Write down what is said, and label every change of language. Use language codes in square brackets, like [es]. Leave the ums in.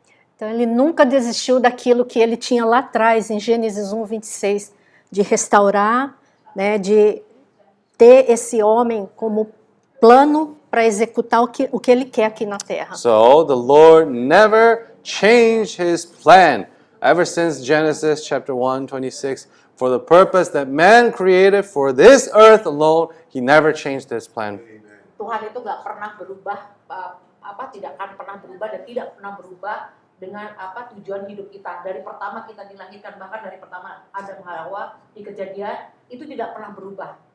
[pt] então ele nunca desistiu daquilo que ele tinha lá atrás em Gênesis 1:26 de restaurar, né, de ter esse homem como plano para executar o que o que ele quer aqui na terra. [en] So the Lord never changed his plan ever since Genesis chapter 1 26 for the purpose that man created for this earth alone, he never changed his plan. [id] Tuhan itu enggak pernah berubah tidak akan pernah berubah dan tidak pernah berubah dengan tujuan hidup kita dari pertama kita dilahirkan bahkan dari pertama Adam Hawa di kejadian itu tidak pernah berubah.